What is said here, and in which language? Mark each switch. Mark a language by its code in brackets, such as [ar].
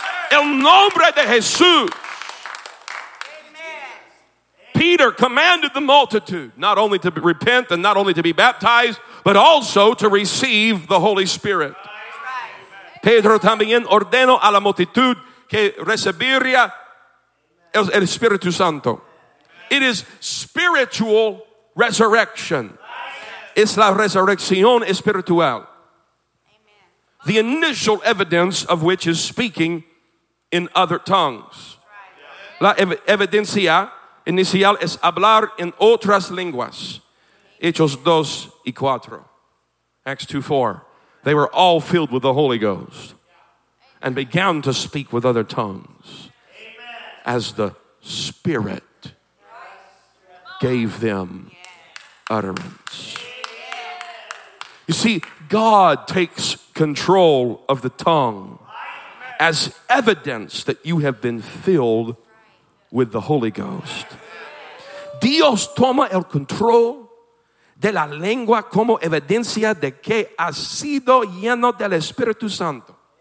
[es] el nombre de Jesús. [en] Peter commanded the multitude not only to repent and not only to be baptized, but also to receive the Holy Spirit. [es] Pedro también ordenó a la multitud que recibiera el Espíritu Santo. [en] It is spiritual resurrection. [es] Es la resurrección espiritual. [en] The initial evidence of which is speaking in other tongues. [es] La evidencia inicial es hablar en otras lenguas. Hechos 2 y 4. Acts 2, 4. [en] They were all filled with the Holy Ghost and began to speak with other tongues as the Spirit gave them utterance. You see, God takes control of the tongue as evidence that you have been filled with the Holy Ghost. [es] Dios toma el control de la lengua como evidencia de que ha sido lleno del Espíritu Santo.